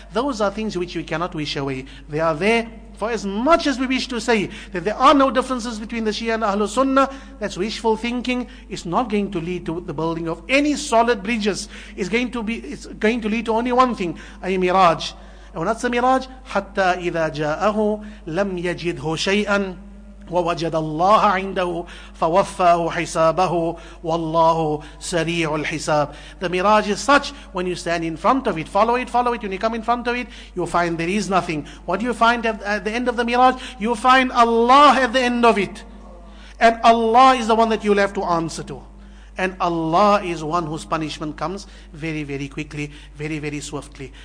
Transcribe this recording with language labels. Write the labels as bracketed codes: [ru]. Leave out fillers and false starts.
[en] Those are things which we cannot wish away. They are there. For as much as we wish to say that there are no differences between the Shia and Ahlu Sunnah, that's wishful thinking. It's not going to lead to the building of any solid bridges. It's going to lead to only one thing, a mirage. And when that's a mirage, [ar] حتى إذا جاءه لم يجده شيئا ووجد الله عنده فوفاه حسابه والله سريع الحساب. [en] The mirage is such, when you stand in front of it, follow it, when you come in front of it, you find there is nothing. What do you find at the end of the mirage? You find Allah at the end of it. And Allah is the one that you'll have to answer to. And Allah is one whose punishment comes very, very quickly, very, very swiftly.